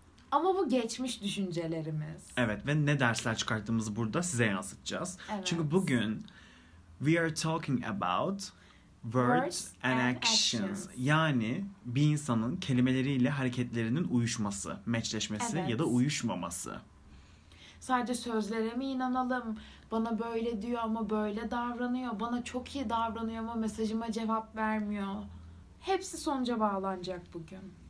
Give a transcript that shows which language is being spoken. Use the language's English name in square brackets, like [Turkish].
[Turkish] Ama bu geçmiş düşüncelerimiz. Evet, ve ne dersler çıkarttığımızı burada size yansıtacağız. Evet. Çünkü bugün [English] we are talking about words and actions. [Turkish] Yani bir insanın kelimeleriyle hareketlerinin uyuşması, meçleşmesi, evet, ya da uyuşmaması. Sadece sözlere mi inanalım? Bana böyle diyor ama böyle davranıyor. Bana çok iyi davranıyor ama mesajıma cevap vermiyor. Hepsi sonuca bağlanacak bugün.